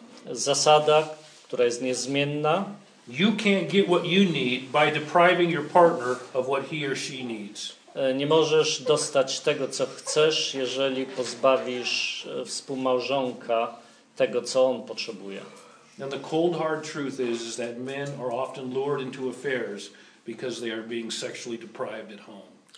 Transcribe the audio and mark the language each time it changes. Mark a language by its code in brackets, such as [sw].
[pl] Zasada, która jest niezmienna. [en] You can't get what you need by depriving your partner of what he or she needs. [pl] Nie możesz dostać tego, co chcesz, jeżeli pozbawisz współmałżonka tego, co on potrzebuje. [en] And the cold hard truth is that men are often lured into affairs because they are being sexually deprived at home.